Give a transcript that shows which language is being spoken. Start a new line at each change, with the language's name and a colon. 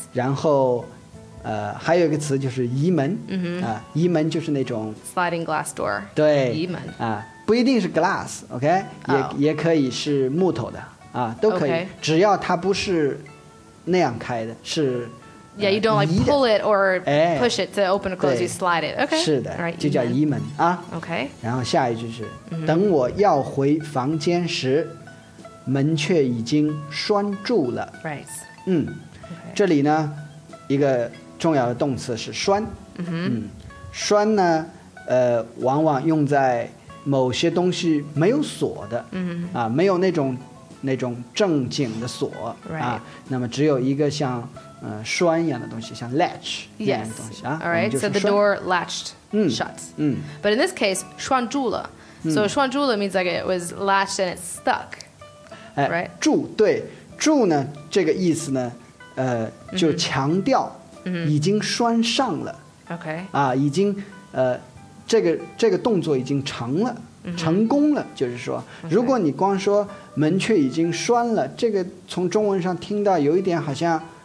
Chinese: 然后，还有一个词就是移门。 Mm-hmm. 啊，移门就是那种
English: sliding glass door.
Chinese: 对，移门。啊，不一定是 glass. OK， 也可以是木头的啊，都可以，
English: okay.
Chinese: 只要它不是那样开的，是。
English: Yeah, you don't like pull it or push it to open or close. You slide it. Okay.
Chinese: 是的，就叫移门啊。
English: Okay.
Chinese: 然后下一句是，等我要回房间时，门却已经拴住了。
English: Right.
Chinese: 嗯，这里呢，一个重要的动词是拴。嗯，拴呢，往往用在某些东西没有锁的。嗯。啊，没有那种正经的锁啊，那么只有一个像。栓一样的东西，像 latch 一样的东西啊。
English: All right, so the door latched shut. But in this case, 拴住了。 So 拴住了 means like it was latched and it stuck. Right?
Chinese: 住，对，住呢，这个意思呢，就强调已经拴上了。
English: Okay.
Chinese: 啊，已经这个动作已经成了，成功了，就是说，如果你光说门却已经拴了，这个从中文上听到有一点好像。